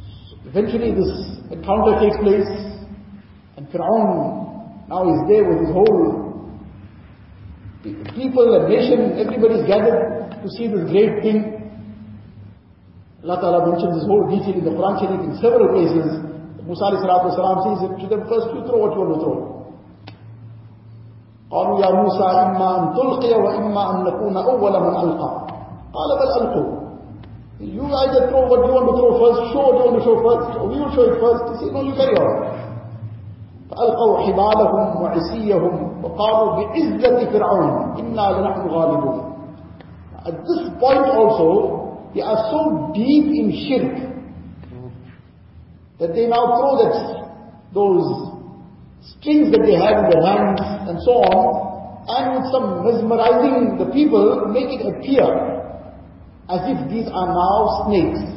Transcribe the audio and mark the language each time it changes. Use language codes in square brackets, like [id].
[en] So eventually this encounter takes place, and Fir'aun now is there with his whole people and nation, everybody is gathered to see this great thing. Allah Ta'ala mentions this whole detail in the Quran Sharif in several places. Musa alayhi salam says to them, first you throw what you want to throw. [ar] قالوا يا موسى إما أن تلقي وإما أن نكون أول من ألقى قال بل ألقوا. [en] You either throw what you want to throw first, show what you want to show first, or we will show it first. He said, no, you carry on. [ar] فألقوا حبالهم وعصيهم وقالوا بعزة فرعون إنا لنحن غالبون. [en] At this point also, they are so deep in shirk that they now throw those strings that they had in their hands and so on, and with some mesmerizing the people, make it appear as if these are now snakes.